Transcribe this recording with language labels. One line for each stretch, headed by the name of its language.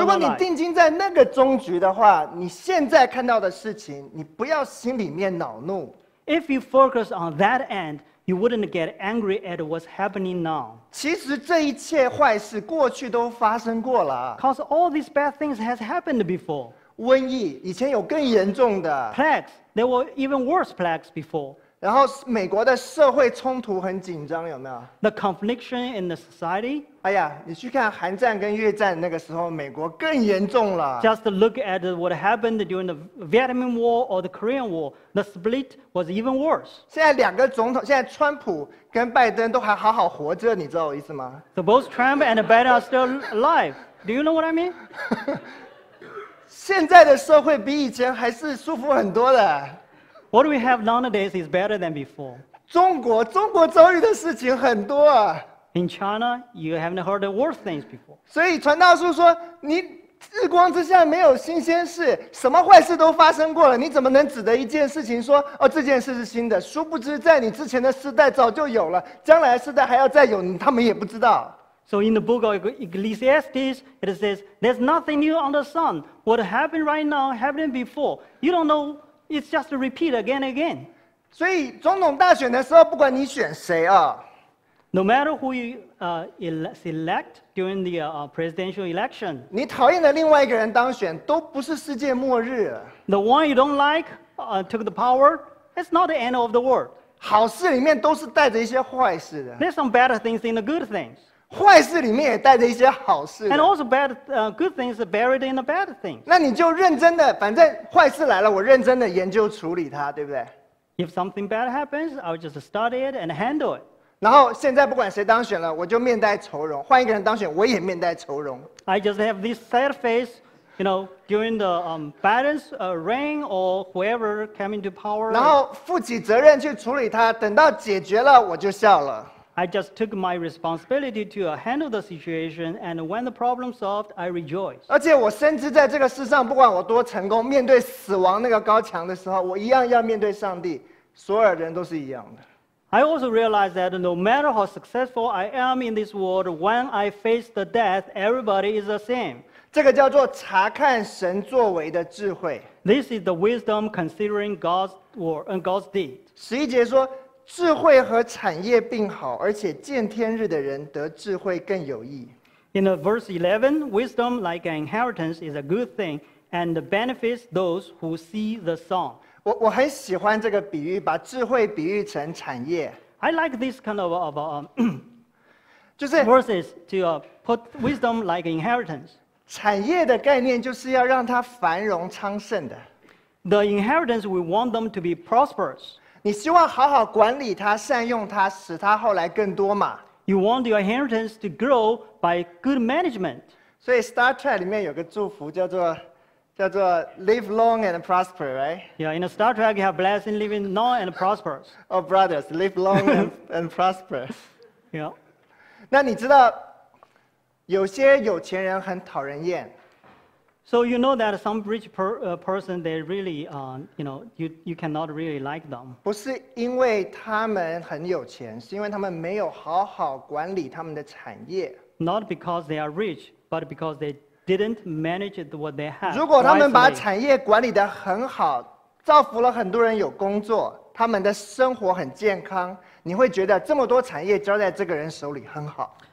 Chinese: 如果你定睛在那个终局的话，你现在看到的事情，你不要心里面恼怒。
English: If you focus on that end, you wouldn't get angry at what's happening now.
Chinese: 其实这一切坏事过去都发生过了。
English: Because all these bad things has happened before.
Chinese: 瘟疫，以前有更严重的。
English: Plagues, there were even worse plagues before.
Chinese: 然后美国的社会冲突很紧张，有没有
English: ？The conflict in the society.
Chinese: 哎呀，你去看韩战跟越战那个时候，美国更严重了。
English: Just look at what happened during the Vietnam War or the Korean War. The split was even worse.
Chinese: 现在两个总统，现在川普跟拜登都还好好活着，你知道我意思吗
English: ？So both Trump and Biden are still alive. Do you know what I mean?
Chinese: 现在的社会比以前还是舒服很多的。
English: What we have nowadays is better than before.
Chinese: 中国遭遇的事情很多啊。
English: In China, you haven't heard the worst things before.
Chinese: 所以传道书说，你日光之下没有新鲜事，什么坏事都发生过了，你怎么能指着一件事情说，哦，这件事是新的？殊不知，在你之前的世代早就有了，将来世代还要再有，他们也不知道。
English: So in the book of Ecclesiastes, it says, there's nothing new under the sun. What happened right now happened before. You don't know, it's just repeat again and again.
Chinese: 所以总统大选的时候，不管你选谁啊，
English: No matter who you select during the presidential election,
Chinese: 你讨厌的另外一个人当选都不是世界末日。
English: The one you don't like took the power, it's not the end of the world.
Chinese: 好事里面都是带着一些坏事的。
English: There's some bad things in the good things.
Chinese: 坏事里面也带着一些好事的。
English: And also bad, good things are buried in the bad things.
Chinese: 那你就认真的，反正坏事来了，我认真的研究处理它，对不对？
English: If something bad happens, I'll just study it and handle it.
Chinese: 然后现在不管谁当选了，我就面带愁容。换一个人当选，我也面带愁容。
English: I just have this sad face, you know, during the Biden's reign or whoever came into power.
Chinese: 然后负起责任去处理它，等到解决了，我就笑了。
English: I just took my responsibility to handle the situation, and when the problem solved, I rejoiced.
Chinese: 而且我深知在这个世上，不管我多成功，面对死亡那个高墙的时候，我一样要面对上帝。所有人都是一样的。
English: I also realize that no matter how successful I am in this world, when I face the death, everybody is the same.
Chinese: 这个叫做查看神作为的智慧。
English: This is the wisdom considering God's word and God's deed.
Chinese: 十一节说，智慧和产业并好，而且见天日的人得智慧更有益。
English: In verse 11, wisdom like an inheritance is a good thing and benefits those who see the sun.
Chinese: 我很喜欢这个比喻，把智慧比喻成产业。
English: I like this kind of
Chinese: 就是
English: verses to put wisdom like inheritance.
Chinese: 产业的概念就是要让它繁荣昌盛的。
English: The inheritance we want them to be prosperous.
Chinese: 你希望好好管理它，善用它，使它后来更多嘛
English: ？You want your inheritance to grow by good management.
Chinese: 所以 Star Trek 里面有个祝福叫做
English: live long and prosper, right? Yeah, in a Star Trek, you have blessing, living long and prosperous. Oh, brothers, live long and prosperous. Yeah.
Chinese: 那你知道，有些有钱人很讨人厌。
English: So you know that some rich person, they really, you cannot really like them.
Chinese: 不是因为他们很有钱，是因为他们没有好好管理他们的产业。
English: Not because they are rich, but because they didn't manage what they had.
Chinese: 如果他们把产业管理得很好，造福了很多人有工作，他们的生活很健康，你会觉得这么多产业交在这个人手里很好。